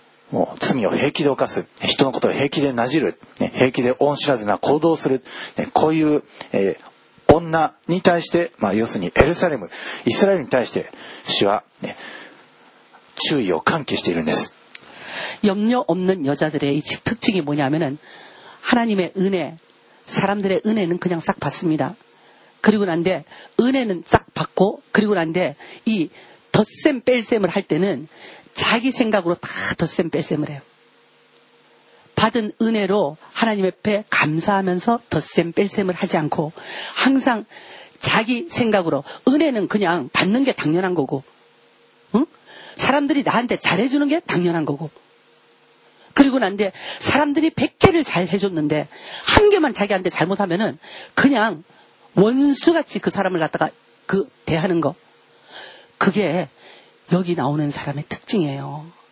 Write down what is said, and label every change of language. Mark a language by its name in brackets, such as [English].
[Japanese] もう罪を平気で犯す人のことを平気でなじる平気で恩知らずな行動をするこういう女に対して、まあ要するにエルサレム、イスラエルに対して主は注意を喚起しているんです。 [Korean] 염려 없는 여자들의 특징이 뭐냐면은 하나님의 은혜, 사람들의 은혜는 그냥 싹 받습니다. 그리고 난데 은혜는 싹 받고 그리고 난데 이 덧셈 뺄셈을 할 때는 자기 생각으로 다 덧셈 뺄셈을 해요. 받은 은혜로 하나님 앞에 감사하면서 덧셈 뺄셈을 하지 않고 항상 자기생각으로은혜는그냥받는게당연한거고응사람들이나한테잘해주는게당연한거고그리고난데사람들이백개를잘해줬는데한개만자기한테잘못하면은그냥원수같이그사람을갖다가그대하는거그게여기나오는사람의특징이에요